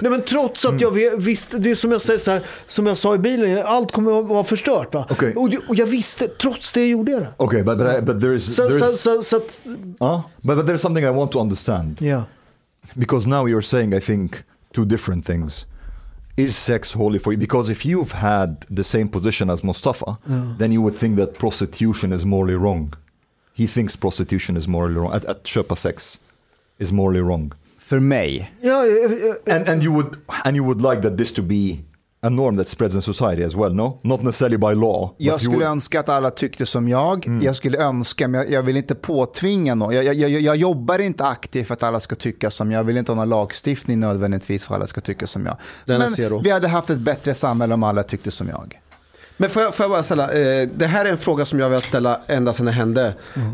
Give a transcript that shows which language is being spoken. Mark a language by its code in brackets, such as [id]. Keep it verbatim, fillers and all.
[sv] Nej, men trots att jag visste, det är som jag säger så här, som jag sa i bilen, allt kommer att vara förstört va. [en] Okay. [sv] Och, och jag visste, trots det gjorde jag det. [en] Okej, okay, but, but there is there is So, so uh, but, but there's something I want to understand. Yeah. Because now you're saying, I think, two different things. is sex holy for you? Because if you've had the same position as Mustafa, yeah. then you would think that prostitution is morally wrong. He thinks prostitution is morally wrong. [sv] Att, att köpa sex [en] is morally wrong. [sv] För mig. [en] Yeah, yeah, yeah. And, and, you would, and you would like that this to be a norm that spreads in society as well, no? Not necessarily by law. [sv] Jag skulle would... önska att alla tyckte som jag. Mm. Jag skulle önska, men jag, jag vill inte påtvinga någon. Jag, jag, jag, jag jobbar inte aktivt för att alla ska tycka som jag. Jag vill inte ha någon lagstiftning nödvändigtvis för att alla ska tycka som jag. Den men vi hade haft ett bättre samhälle om alla tyckte som jag. Men får jag, får jag bara ställa, eh, det här är en fråga som jag vill ställa ända sedan det hände. Mm.